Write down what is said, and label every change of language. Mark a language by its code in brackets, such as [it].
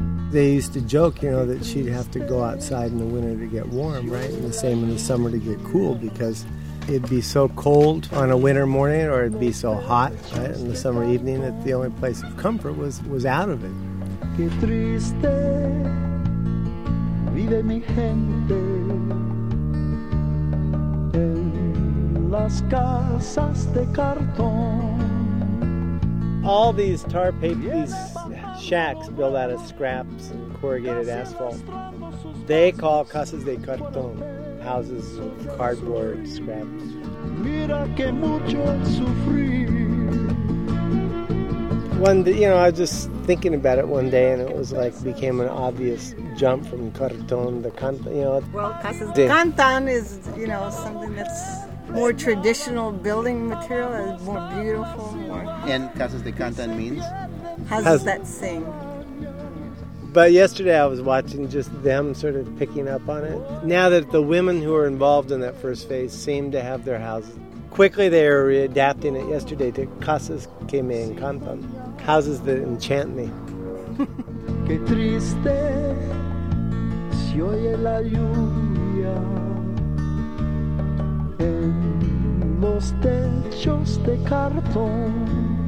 [en] They used to joke, you know, that she'd have to go outside in the winter to get warm, right? And the same in the summer to get cool, because it'd be so cold on a winter morning, or it'd be so hot, right, in the summer evening, that the only place of comfort was out of it. [es] Qué triste vive mi gente en las casas de cartón. [en] All these tar paper, these shacks built out of scraps and corrugated asphalt, they call casas de cartón, houses of cardboard scraps. [es] Mira que mucho el sufrir. [en] One day, you know, I was just thinking about it one day, and it was like became an obvious jump from cartón to cantón, you know. Well, casas de cantón is, you know, something that's more traditional building material, is more beautiful. More. And casas de cantón means? Houses that sing. But yesterday I was watching just them sort of picking up on it. Now that the women who were involved in that first phase seem to have their houses, quickly they are readapting it yesterday to [es] casas que me encantan, [en] houses that enchant me. [es] Qué triste se oye la lluvia en los techos de cartón.